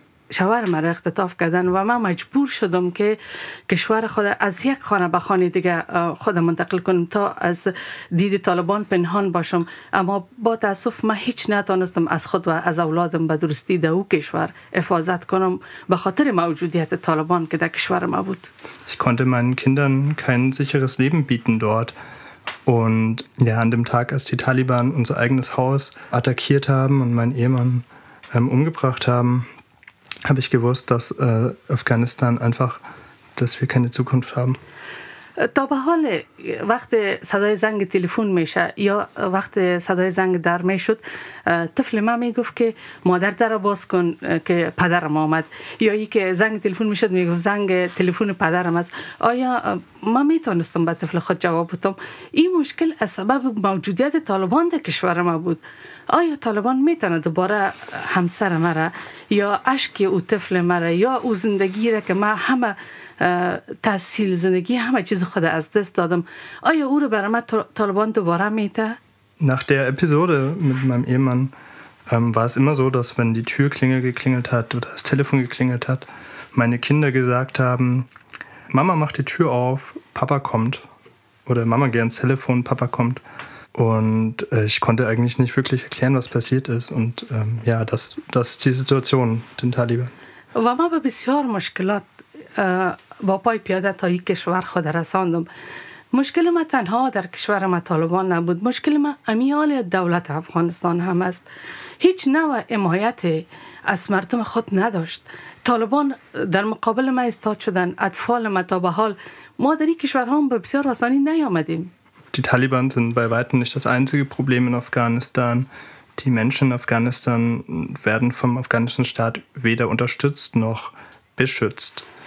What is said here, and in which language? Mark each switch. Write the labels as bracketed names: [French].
[Persian] شوهر مرا اختطاف کردن و من مجبور شدم که کشور خود از یک خانه به خانه دیگه خود منتقل کنم تا از دید طالبان پنهان باشم اما با تاسف من هیچ نتانستم از خود و از اولادم به درستی در او کشور حفاظت کنم به خاطر موجودیت طالبان که در کشور ما بود. [German] Ich konnte meinen Kindern kein sicheres Leben bieten dort. Und ja, an dem Tag, als die Taliban unser eigenes Haus attackiert haben und meinen Ehemann umgebracht haben, habe ich gewusst, dass Afghanistan einfach, dass wir keine Zukunft haben. [Persian] تا به حال وقت صدای زنگ تلفن میشه یا وقت صدای زنگ در میشد طفل ما میگفت که مادر در رو باز کن که پدرم آمد یا ای که زنگ تلفن میشد میگفت زنگ تلفن پدرم است آیا ما میتونستم به طفل خود جواب بدم این مشکل از سبب موجودیت طالبان در کشور ما بود آیا طالبان میتونه دوباره همسر ما را یا عشق او طفل ما را یا او زندگی را که ما همه تحصیل زندگی همه چیز خود از دست دادم آیا او رو برای من طالبان دوباره میده؟ [German] Nach der Episode mit meinem Ehemann war es immer so, dass wenn die Türklingel geklingelt hat oder das Telefon geklingelt hat, meine Kinder gesagt haben, Mama macht die Tür auf, Papa kommt. Oder Mama geht ans Telefon, Papa kommt. Und ich konnte eigentlich nicht wirklich erklären, was passiert ist. Und ja, das ist die Situation, den Taliban. [Persian] و ما به بسیار مشکلات با پای پیاده تا این کشور خود رساندم مشکل ما تنها در کشور ما طالبان نبود مشکل ما امیال دولت افغانستان هم است هیچ نوع حمایت از مردم خود نداشت طالبان در مقابل ما ایستاد شدن اطفال ما تا به حال ما در این کشور هم به بسیار آسانی نیامدیم [German] Die Taliban sind bei weitem nicht das einzige Problem in Afghanistan. Die Menschen in Afghanistan werden vom afghanischen Staat weder unterstützt noch beschützt.